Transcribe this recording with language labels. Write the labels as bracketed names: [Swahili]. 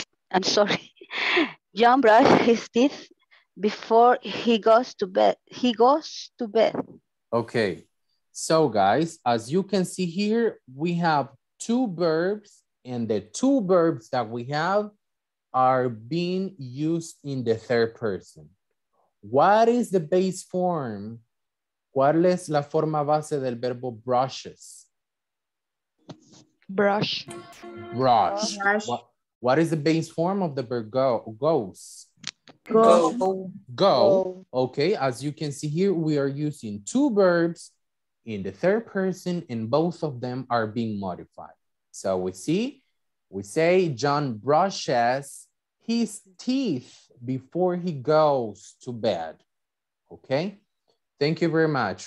[English] I'm sorry. John brushes his teeth before he goes to bed. Okay. So guys, as you can see here, we have 2 verbs, and the 2 verbs that we have are being used in the third person. What is the base form? [Spanish] ¿Cuál es la forma base del verbo brushes? [English] Brush. Brush. Brush. What is the base form of the verb go? Goes. Go. Go. Go. Okay, as you can see here, we are using 2 verbs in the third person and both of them are being modified. So we see, we say John brushes his teeth before he goes to bed. Okay. Thank you very much.